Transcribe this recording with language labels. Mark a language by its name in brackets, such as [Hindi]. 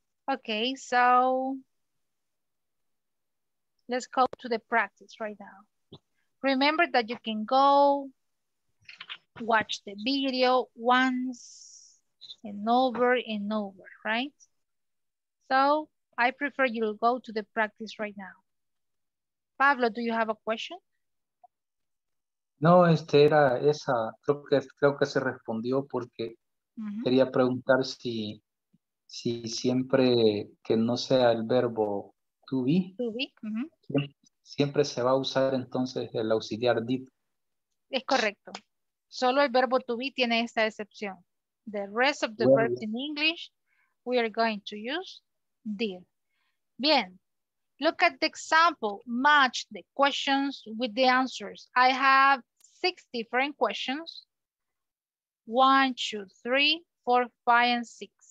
[English] Okay, so let's go to the practice right now. Remember that you can go watch the video once and over, right? So I prefer you go to the practice right now. Pablo, do you have a question? [Spanish] No, este era esa, creo que se respondió porque quería preguntar si siempre que no sea el verbo to be, siempre se va a usar entonces el auxiliar did. Es correcto. Solo el verbo to be tiene esta excepción. [English] The rest of the verbs in English, we are going to use did. Bien. Look at the example. Match the questions with the answers. I have 6 different questions. 1, 2, 3, 4, 5, and 6.